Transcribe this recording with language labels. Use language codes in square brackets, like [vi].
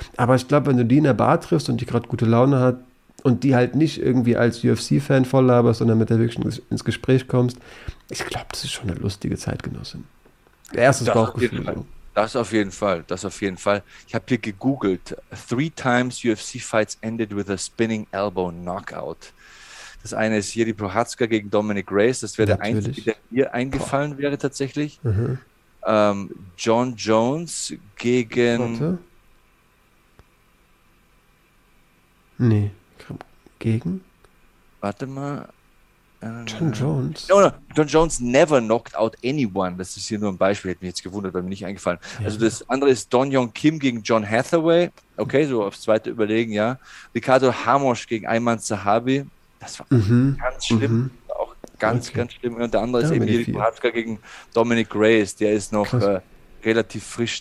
[de] Aber ich glaube, wenn du die in der Bar triffst und die gerade gute Laune hat und die halt nicht irgendwie als UFC-Fan volllaberst, sondern mit der wirklich ins Gespräch kommst, ich glaube, das ist schon eine lustige Zeitgenossin. Erstes Bauchgefühl. Das auf jeden Fall, das auf jeden Fall. Ich habe hier gegoogelt. [en] 3 times UFC fights ended with a spinning elbow knockout. [de] Das eine ist Jiří Procházka gegen Dominic Reyes. Das wäre der einzige, der hier eingefallen wäre tatsächlich. Mhm. John Jones gegen... John Jones. [en] John Jones never knocked out anyone. [de] Das ist hier nur ein Beispiel. Hätte mich jetzt gewundert, weil mir nicht eingefallen. Ja. Also das andere ist Don Young Kim gegen John Hathaway. Okay, so aufs zweite überlegen, ja. Ricardo Hamosch gegen Ayman Zahabi. Das war ganz schlimm. Mhm. Auch ganz, ganz schlimm. Und der andere ist eben Jiří Procházka gegen Dominic Reyes. Der ist noch relativ frisch.